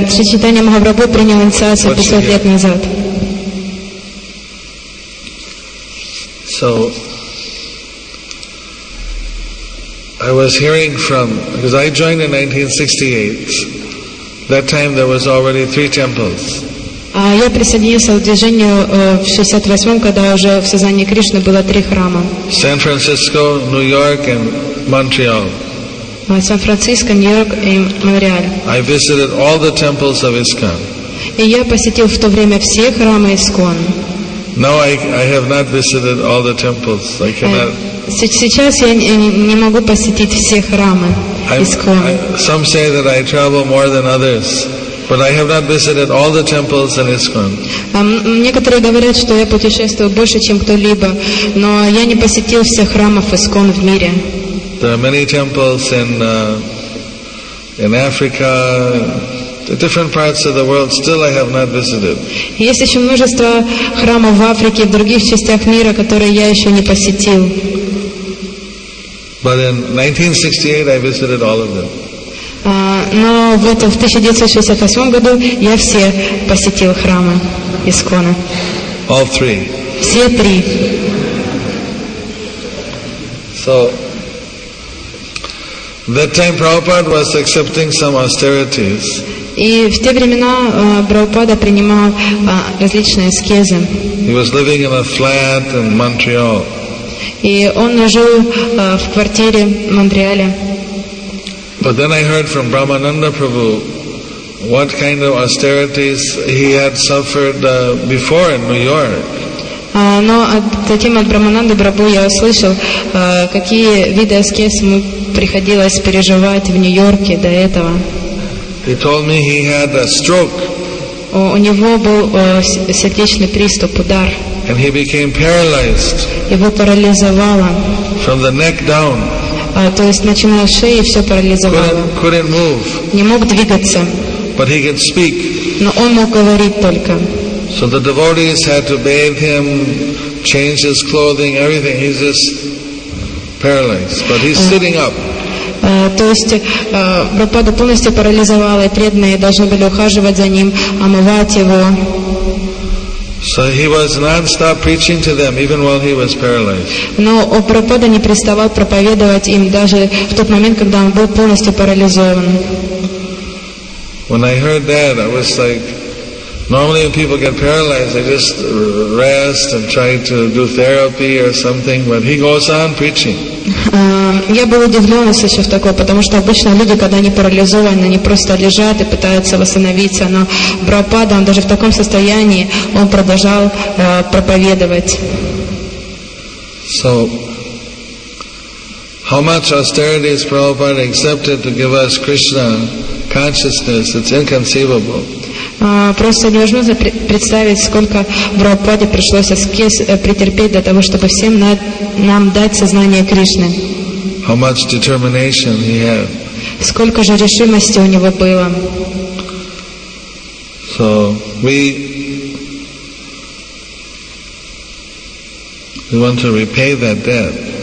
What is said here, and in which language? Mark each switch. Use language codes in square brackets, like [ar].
[ru] Чайтанья Махапрабху принял инициацию 500 лет назад. [en] So, I was hearing from, because I joined in 1968, that time there was already three temples. [ru] Я присоединился к движению в 68-м, когда уже в сознании Кришны было три храма. [en] San Francisco, New York and Montreal. [ru] Сан-Франциско, Нью-Йорк и Монреаль. [en] I visited all the temples of ISKCON. [ru] И я посетил в то время все храмы ISKCON. [en] Now I have not visited all the temples. I cannot. [ru] Сейчас я не могу посетить все храмы ISKCON. [en] Some say that I travel more than others. But I have not visited all the temples in ISKCON. [ru] Некоторые говорят, что я путешествую больше, чем кто-либо, но я не посетил всех храмов ISKCON в мире. [en] There are many temples in Africa, different parts of the world. Still, I have not visited. [ru] Есть еще множество храмов в Африке и в других частях мира, которые я еще не посетил. [en] But in 1968, I visited all of them. [ru] Но вот в 1968 году я все посетил храмы ISKCON. [en] All three. [ru] Все три. [en] So, that time Prabhupada was accepting some austerities. [ru] И в те времена Прабхупада принимал различные аскезы. [en] He was living in a flat in Montreal. [ru] И он жил в квартире в Монреале. [en] But then I heard from Brahmananda Prabhu what kind of austerities he had suffered before in New York. [ru] Но затем от Брамананды Прабху я услышал, какие виды аскез ему приходилось переживать в Нью-Йорке до этого. [en] He told me he had a stroke. [ru] У него был сердечный приступ, удар. [en] And he became paralyzed. [ru] Его парализовало. [en] From the neck down. [ru] то есть начиная с шеи, все парализовало. Не мог двигаться. [en] But he could speak. [ru] Но он мог говорить только. [en] So the devotees had to bathe him, change his clothing, everything. He's just paralyzed. But he's sitting up. [ru] То есть Прабхупада полностью парализовала, и преданные должны были ухаживать за ним, омывать его. [en] So he was non-stop preaching to them even while he was paralyzed. [ru] Но Прабхупада не переставал проповедовать им даже в тот момент, когда он был полностью парализован. [en] When I heard that, I was like, normally when people get paralyzed, they just rest and try to do therapy or something, but he goes on preaching. [ru] Я был удивлен, услышав такое, потому что обычно люди, когда они парализованы, они просто лежат и пытаются восстановиться, но Прабхупада, он даже в таком состоянии, он продолжал проповедовать. [en] So, how much austerity is Prabhupada accepted to give us Krishna consciousness? It's inconceivable. [ru] Просто невозможно представить, сколько Прабхупаде пришлось аскез претерпеть для того, чтобы всем нам дать сознание Кришны. [en] How much determination he had. [ru] Сколько же решимости у него было. [en] So we want to repay that debt.